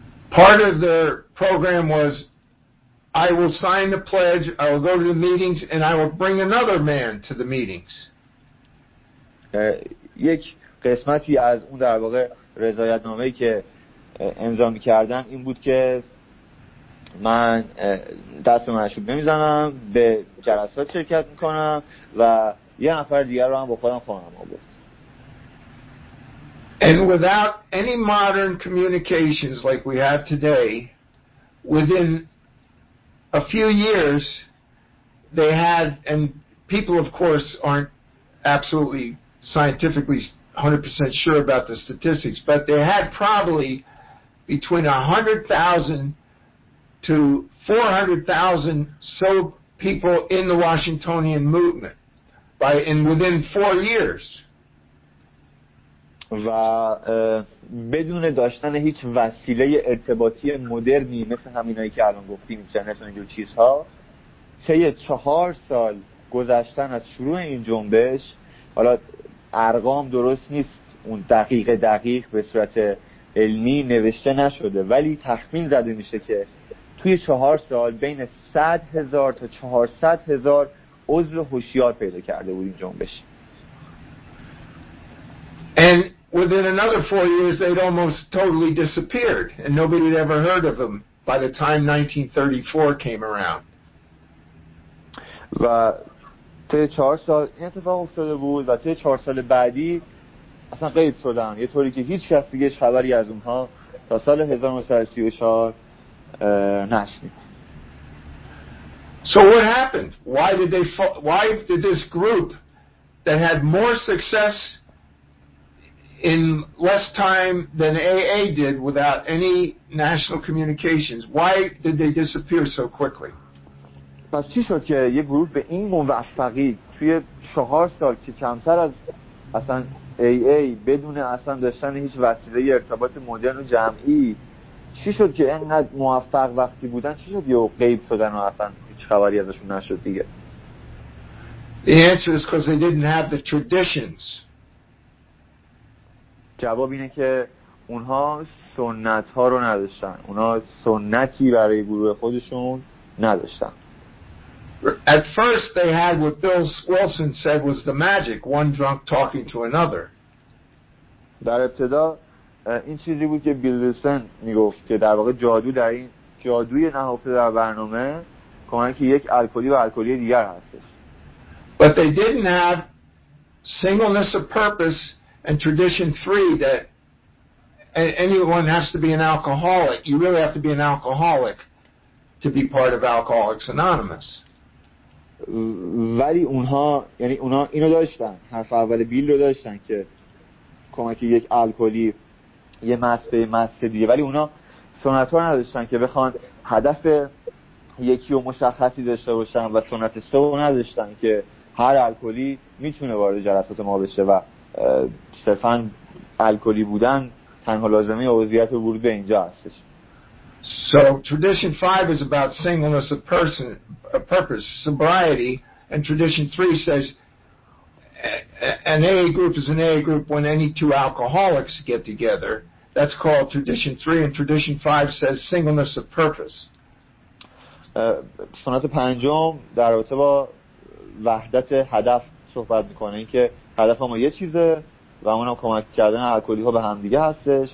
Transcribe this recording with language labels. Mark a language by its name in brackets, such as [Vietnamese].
[English] Part of their program was I will sign the pledge, I will go to the meetings and I will bring another man to the meetings. [Persian] یک قسمتی از اون در واقع رضایت‌نامه‌ای که امضا می‌کردم این بود که من دست مشروب نمیزنم، به جلسات شرکت میکنم و یه نفر دیگر رو هم با خودم خواهم آورد. [English] And without any modern communications like we have today, within a few years they had, and people of course aren't absolutely scientifically 100% sure about the statistics, but they had probably between 100,000 to 400,000 so people in the Washingtonian movement by in within 4 years. [Persian] و بدون داشتن هیچ وسیله ارتباطی مدرنی مثل همینایی که الان گفتیم، اینترنت و اینجور چیزها، طی 4 سال گذشتن از شروع این جنبش، حالا ارقام درست نیست، اون دقیق دقیق به صورت علمی نوشته نشده، ولی تخمین زده میشه که توی 4 سال بین 100,000 تا 400,000 عضو هوشیار پیدا کرده بود این جنبش. [English] And within another 4 years they'd almost totally disappeared and nobody had ever heard of them by the time 1934 came around. [Persian] و توی 4 سال این اتفاق افتاده بود و توی 4 سال بعدی اصلا غیب شدن، یه طوری که هیچ کس دیگه خبری از اونها تا سال 1934 [English] So what happened? Why did this group that had more success in less time than AA did without any national communications, why did they disappear so quickly? [Persian] پس چی شد که یه گروه به این موفقی توی 4 سال که کمتر از اصلا AA بدون اصلا داشتن هیچ وسیله ارتباط مدرن و جمعی، چی شد که اینقدر موفق وقتی بودن، چی شد یه غیب شدن و اصلا هیچ خبری ازشون نشد دیگه؟ [English] The answer is because they didn't have the traditions. [Persian] جواب اینه که اونها سنت ها رو نداشتن، اونها سنتی برای گروه خودشون نداشتن. [English] At first they had what Bill Wilson said was the magic, one drunk talking to another. [Persian] در ابتدا این چیزی بود که بیل ویلسون میگفت که در واقع جادو در این جادوی نهفته در برنامه کمک یک الکلی و الکلی دیگر هستش. [English] But they didn't have singleness of purpose and tradition 3 that anyone has to be an alcoholic. You really have to be an alcoholic to be part of Alcoholics Anonymous. [Persian] ولی اونها، یعنی اونها اینو داشتن، حرف اول بیل رو داشتن که کمک یک الکلی یه مست به یه مست دیگه، ولی اونا سنت ها نداشتن که بخوان هدف یکی و مشخصی داشته باشن و سنت سه رو نداشتن که هر الکلی میتونه وارد جلسات ما بشه و صرفا الکلی بودن تنها لازمه یا عضویت ورود به اینجا هستش. [English] So tradition 5 is about singleness of person, purpose, sobriety, and tradition 3 says an AA group is an AA group when any two alcoholics get together. That's called tradition 3, and tradition 5 says singleness of purpose. [Persian] سنت پنجم در رابطه با وحدت هدف صحبت میکنه، این که هدف ما یه چیزه و اونم کمک کردن الکلی ها به همدیگه هستش.